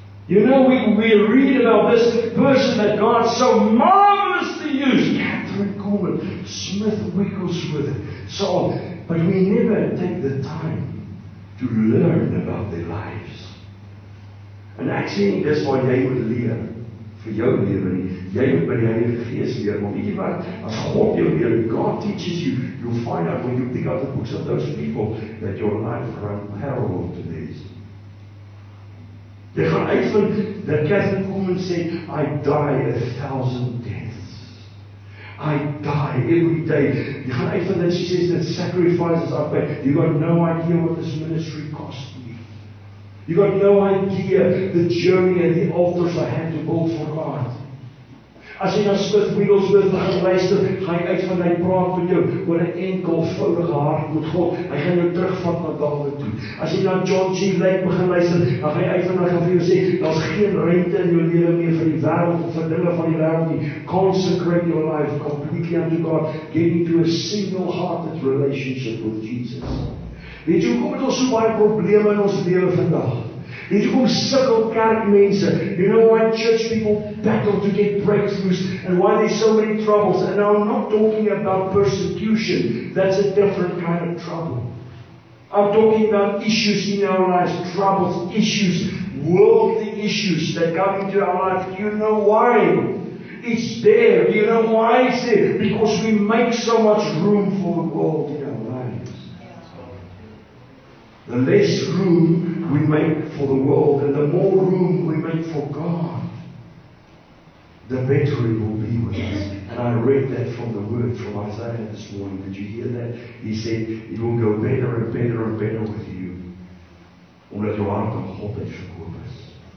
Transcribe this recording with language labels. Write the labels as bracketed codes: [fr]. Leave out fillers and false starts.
[en] You know, we read about this person that God so marvelously used. Catherine Coleman, Smith Wigglesworth, so on. But we never take the time to learn about their lives. And actually, [af] dis wat jy moet leer vir jou lewe. Jy moet by die Heilige Gees leer. Want weet jy wat? As God jou leer, [en] God teaches you, you'll find out when you pick up the books of those people that your life run parallel to this. [af] Jy gaan uitvind dat Catherine Coleman sê, [en] I die a thousand deaths. I die every day. [af] Jy gaan uitvind dat [en] she says that sacrifices are paid. You got no idea what this ministry cost. You got no idea the journey and the altars I had to build for God. [af] As jy na Smith Wigglesworth gaan luister, gaan jy uit van hy praat met jou oor 'n enkelvoudige hart met God. Hy gaan jou terugvat na Dawid toe. As jy na John G. Lake begin luister, dan gaan jy uit van hy gaan vir jou sê, daar's geen ruimte in jou lewe meer vir die wêreld of vir dinge van die wêreld nie. [en] Consecrate your life completely unto God. Get into a single-hearted relationship with Jesus. [af] Weet jy hoekom het ons so baie probleme in ons lewe vandag? Weet jy hoekom sukkel kerkmense? [en] You know why church people battle to get breakthroughs and why there's so many troubles? And now I'm not talking about persecution. That's a different kind of trouble. I'm talking about issues in our lives, troubles, issues, worldly issues that come into our life. Do you know why? It's there. Do you know why it's there? Because we make so much room for the world. The less room we make for the world and the more room we make for God, the better it will be with us. And I read that from the word from Isaiah this morning. Did you hear that? He said, it will go better and better and better with you. [af] Omdat jou hart aan God het verkoop is.